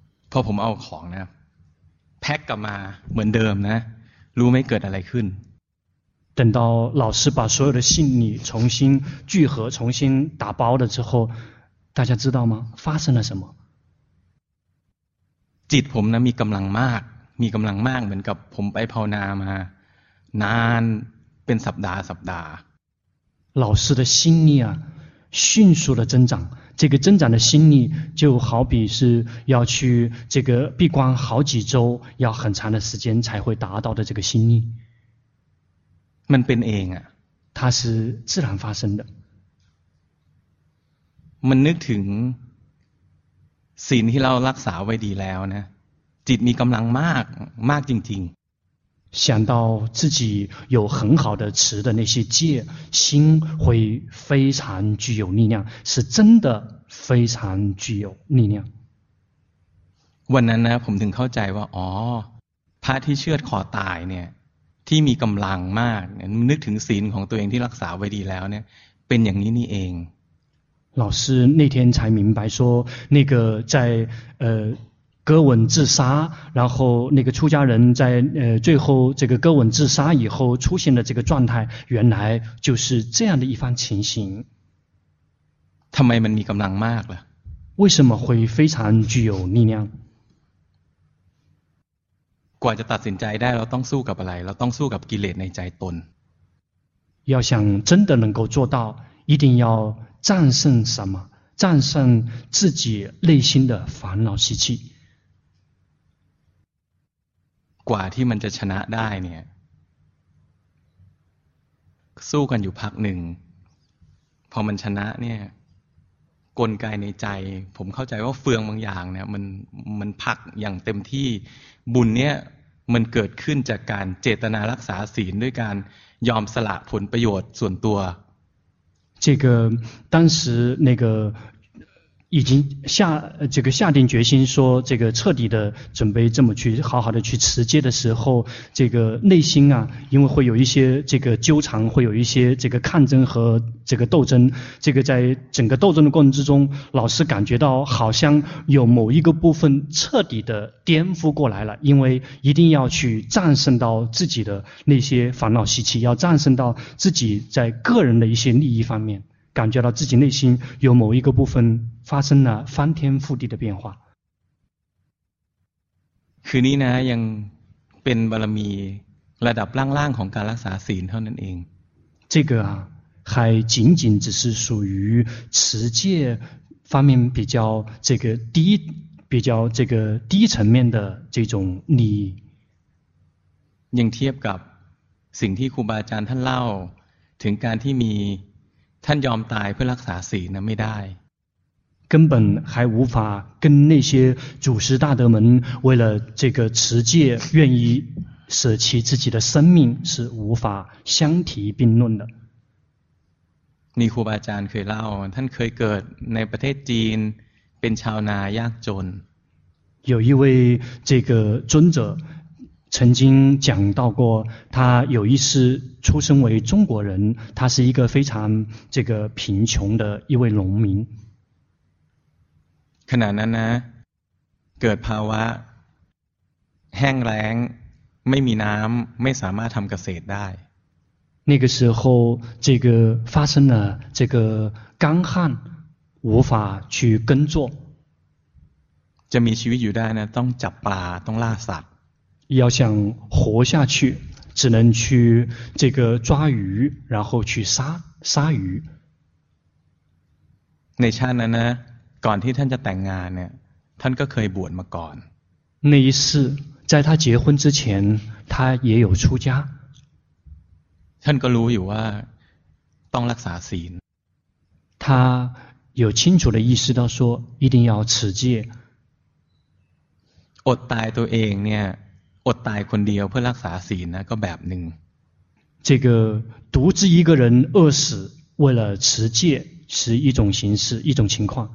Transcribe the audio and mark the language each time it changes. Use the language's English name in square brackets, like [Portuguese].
[Thai] พอผมเอาของนะแพ็คกลับมาเหมือนเดิมนะรู้ไม่เกิดอะไรขึ้น [Chinese] 等到老师把所有的信里重新聚合重新打包了之后大家知道吗发生了什么 [Thai] จิตผมนะมีกำลังมากมีกำลังมากเหมือนกับผมไปภาวนามานานเป็นสัปดาห์สัปดาห์ [Chinese] 老师的心力啊迅速的增长这个增长的心力就好比是要去这个闭关好几周要很长的时间才会达到的这个心力 [Thai] มันเป็นเองอ่ะ [Chinese] 它是自然发生的 [Thai] มันนึกถึงศีลที่เรารักษาไว้ดีแล้วนะจิตมีกำลังมากมากจริงๆ [Chinese] 想到自己有很好的持的那些戒心会非常具有力量是真的非常具有力量 [Thai] วันนั้นนะผมถึงเข้าใจว่าอ๋อพระที่เชือดคอตายเนี่ยที่มีกำลังมากนึกถึงศีลของตัวเองที่รักษาไว้ดีแล้วเนี่ยเป็นอย่างนี้นี่เอง [Chinese] 老师那天才明白说那个在割腕自杀然后那个出家人在最后这个割腕自杀以后出现的这个状态原来就是这样的一番情形 [Thai] ทำไมมันมีกำลังมากล่ะ [Chinese] 为什么会非常具有力量 [Thai] กว่าจะตัดสินใจได้เราต้องสู้กับอะไรเราต้องสู้กับกิเลสในใจตน [Chinese] 要想真的能够做到一定要战胜什么战胜自己内心的烦恼习气 [Thai] กว่าที่มันจะชนะได้เนี่ยสู้กันอยู่พักหนึ่งพอมันชนะเนี่ยกลไกในใจผมเข้าใจว่าเฟืองบางอย่างเนี่ยมันผักอย่างเต็มที่บุญเนี่ยมันเกิดขึ้นจากการเจตนารักษาศีลด้วยการยอมสละผลประโยชน์ส่วนตัว [Chinese] 这个当时那个已经下这个下定决心说这个彻底的准备这么去好好的去持戒的时候这个内心啊因为会有一些这个纠缠会有一些这个抗争和这个斗争这个在整个斗争的过程之中老师感觉到好像有某一个部分彻底的颠覆过来了因为一定要去战胜到自己的那些烦恼习气要战胜到自己在个人的一些利益方面感觉到自己内心有某一个部分发生了翻天覆地的变化 [Thai] คืนนี้นะยังเป็นบารมีระดับล่างๆของการรักษาศีลเท่านั้นเอง [Chinese] 这个啊还仅仅只是属于持戒方面比较这个低比较这个低层面的这种利益 [Thai] ยังเทียบกับสิ่งที่ครูบาอาจารย์ท่านเล่าถึงการที่มีท่านยอมตายเพื่อรักษาศีลนะไม่ได้ [Chinese] 根本还无法跟那些祖师大德们为了这个持戒愿意舍弃自己的生命是无法相提并论的 [Thai] มีครูบาอาจารย์เคยเล่าท่านเคยเกิดในประเทศจีนเป็นชาวนายากจน [Chinese] 有一位这个尊者曾经讲到过他有一次出生为中国人他是一个非常这个贫穷的一位农民 [Thai] ขณะนั้นนะเกิดภาวะแห้งแล้งไม่มีน้ำไม่สามารถทำเกษตรได้ [Chinese] 那个时候这个发生了这个干旱无法去耕作 [Thai] จะมีชีวิตอยู่ได้นะต้องจับปลาต้องล่าสัตว์ [Chinese] 要想活下去只能去这个抓鱼然后去杀鱼 [Thai] ในชาตินั้นนะก่อนที่ท่านจะแต่งงานเนี่ยท่านก็เคยบวชมาก่อน [Chinese] 那一世在他结婚之前他也有出家 [Thai] ท่านก็รู้อยู่ว่าต้องรักษาศีล [Chinese] 他有清楚的意识到说一定要持戒 [Thai] อดตายตัวเองเนี่ยอดตายคนเดียวเพื่อรักษาศีลนะก็แบบหนึ่ง [Chinese] 这个独自一个人饿死为了持戒是一种形式一种情况